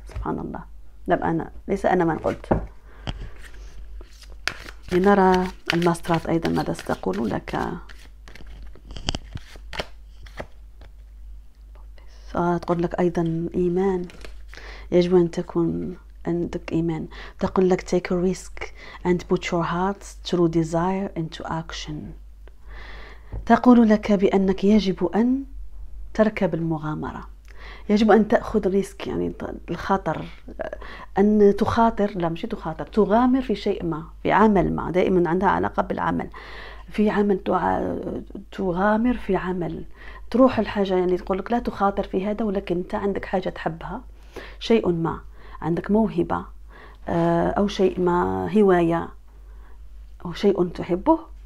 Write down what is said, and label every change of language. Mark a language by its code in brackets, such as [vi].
[ar] سبحان الله، لم أنا ليس أنا من قلت. لنرى الماسترات أيضا ماذا ستقول لك. تقول لك أيضا إيمان، يجب أن تكون عندك إيمان. تقول لك [en] take a risk and put your heart's true desire into action. [ar] تقول لك بأنك يجب أن تركب المغامرة، يجب أن تأخذ ريسك، يعني الخطر، أن تخاطر، لا مش تخاطر، تغامر في شيء ما، في عمل ما، دائما عندها علاقة بالعمل، في عمل تغامر في عمل، تروح الحاجة، يعني تقول لك لا تخاطر في هذا، ولكن أنت عندك حاجة تحبها، شيء ما، عندك موهبة أو شيء ما، هواية أو شيء تحبه،